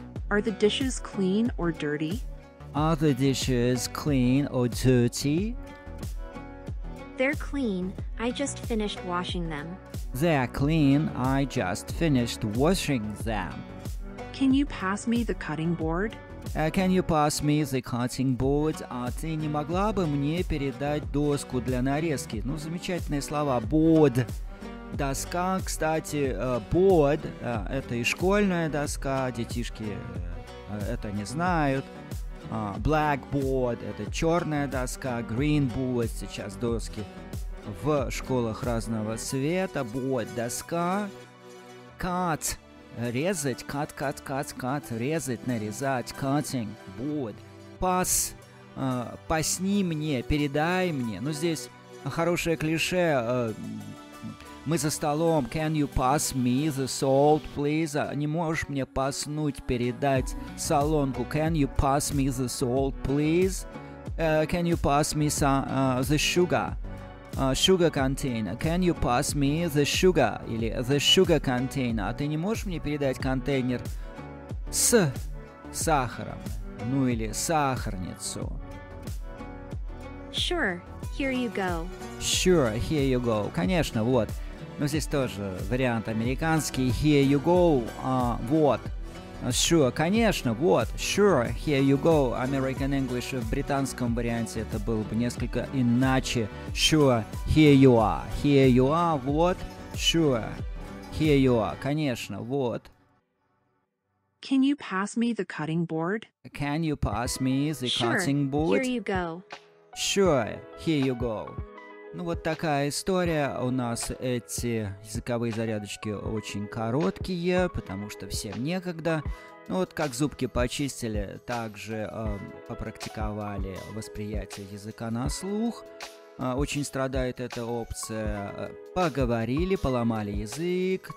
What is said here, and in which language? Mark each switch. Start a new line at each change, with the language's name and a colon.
English: Are the dishes clean or dirty? Are the dishes clean or dirty? They're clean. I just finished washing them. They are clean. I just finished washing them. Can you pass me the cutting board? Can you pass me the cutting board?
Russian: А ты не могла бы мне передать доску для нарезки? Ну, замечательные слова.
English: Board.
Russian: Доска, кстати, board – это и школьная доска, детишки это не знают. Blackboard – это черная доска, green board – сейчас доски в школах разного цвета. Board – доска.
English: Cut – резать, cut, резать, нарезать, cutting, board.
Russian: Pass – пасни мне, передай мне. Ну, здесь хорошее клише мы за столом.
English: Can you pass me the salt, please?
Russian: Не можешь мне паснуть, передать солонку.
English: Can you pass me the salt, please? Can you pass me the sugar? Sugar container. Can you pass me the sugar?
Russian: Или
English: the sugar container.
Russian: А ты не можешь мне передать контейнер с сахаром? Ну или сахарницу.
English: Sure, here you go. Sure, here you go.
Russian: Конечно, вот. Ну, здесь тоже вариант американский.
English: Here you go.
Russian: Вот.
English: Sure.
Russian: Конечно, вот.
English: Sure. Here you go. American English.
Russian: В британском варианте это было бы несколько иначе.
English: Sure. Here you are. Here you are.
Russian: Вот.
English: Sure. Here you are.
Russian: Конечно, вот.
English: Can you pass me the cutting board? Can you pass me the cutting board? Sure. Here you go. Sure. Here you go.
Russian: Ну вот такая история. У нас эти языковые зарядочки очень короткие, потому что всем некогда. Ну вот как зубки почистили, так же попрактиковали восприятие языка на слух. Очень страдает эта опция. Поговорили, поломали язык.